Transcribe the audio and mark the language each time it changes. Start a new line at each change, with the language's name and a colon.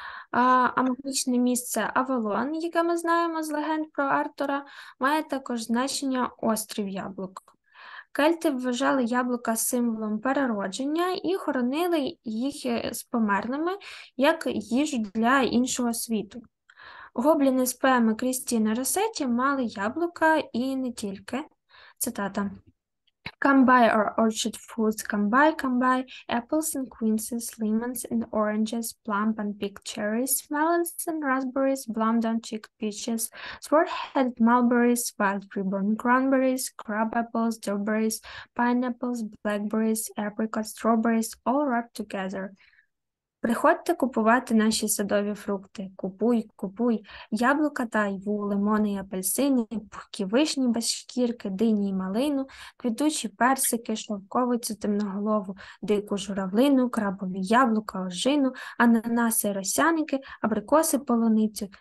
Ukrainian: А магічне місце Авалон, яке ми знаємо з легенд про Артура, має також значення острів яблук. Кельти вважали яблука символом переродження і хоронили їх з померлими як їжу для іншого світу. Гобліни з поеми Крістіни Россетті мали яблука і не тільки. Цитата.
English: Come buy our orchard fruits, come buy apples and quinces, lemons and oranges, plump and pink cherries, melons and raspberries, blonde and cheek peaches, swart-headed mulberries, wild freeborn cranberries, crab apples, dewberries, pineapples, blackberries, apricots, strawberries, all wrapped together.
Ukrainian: Приходьте купувати наші садові фрукти. Купуй, купуй. Яблука та айву, лимони і апельсини, пухкі вишні без шкірки, дині і малину, квітучі персики, шовковицю темноголову, дику журавлину, крабові яблука, ожину, ананаси, росяники, абрикоси, полуницю.